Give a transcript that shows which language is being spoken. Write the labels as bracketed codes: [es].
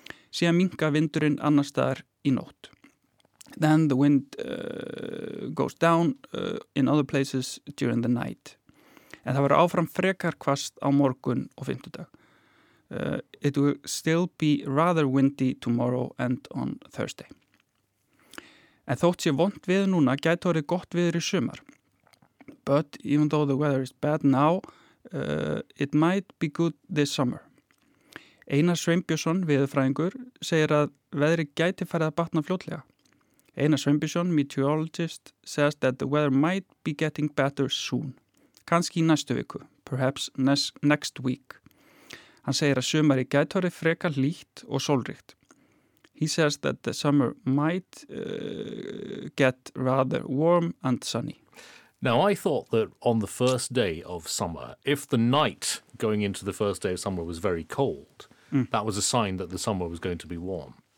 [is] Síðan minka vindurinn annars staðar í nótt. [en] Then the wind goes down in other places during the night. [is] En það verður áfram frekar hvasst á morgun og fimmtudag. [en] It will still be rather windy tomorrow and on Thursday. [is] En þótt sé vont veður núna, gæti orðið gott veður í sumar. [en] But even though the weather is bad now, it might be good this summer. [is] Einar Sveinbjörnsson, veðurfræðingur, segir að veðri gæti farið að batna fljótlega. [en] Einar Sveinbjörnsson, meteorologist, says that the weather might be getting better soon. [is] Kannski í næstu viku, [en] perhaps next week. [is] Hann segir að sumari gæti orðið frekar hlýtt og sólríkt. [en] He says that the summer might get rather warm and sunny. Now, I thought that on the first day of summer, if the night going into the first day of summer was very cold, that was a sign that the summer was going to be warm.